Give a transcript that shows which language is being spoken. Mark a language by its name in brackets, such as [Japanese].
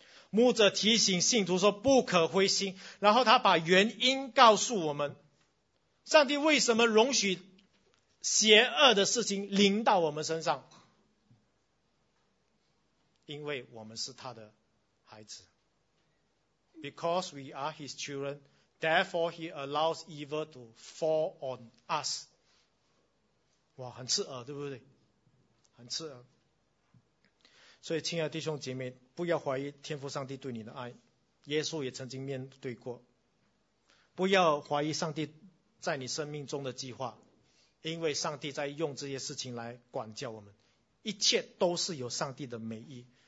[Chinese] 牧者提醒信徒说不可灰心，然后他把原因告诉我们，上帝为什么容许邪恶的事情临到我们身上，因为我们是他的孩子。 [English] Because we are his children, therefore he allows evil to fall on us. [Chinese] 哇，很刺耳对不对？很刺耳。所以亲爱的弟兄姐妹，不要怀疑天父上帝对你的爱，耶稣也曾经面对过，不要怀疑上帝在你生命中的计划，因为上帝在用这些事情来管教我们，一切都是有上帝的美意。